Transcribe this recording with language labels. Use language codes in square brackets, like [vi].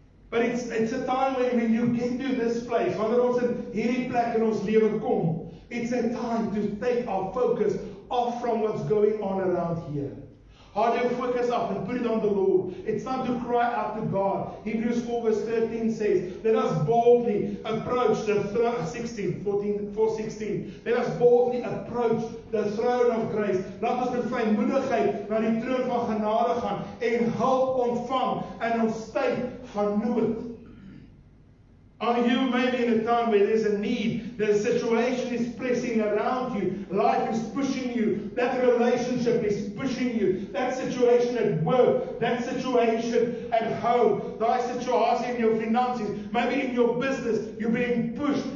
[en] But it's a time when you get to this place, [af] wanneer ons in hierdie plek in ons lewe kom, [en] it's a time to take our focus off from what's going on around here. Hard your focus up and put it on the Lord. It's time to cry out to God. Hebrews 4 verse 13 says, let us boldly approach the throne, 4:16. Let us boldly approach the throne of grace. [af] Laat ons met vrymoedigheid naar die troon van genade gaan en hulp ontvang en ons tyd van nood. [en] Are you maybe in a time where there's a need, the situation is pressing around you, life is pushing you, that relationship is pushing you, that situation at work, that situation at home, thy situation in your finances, maybe in your business, you're being pushed.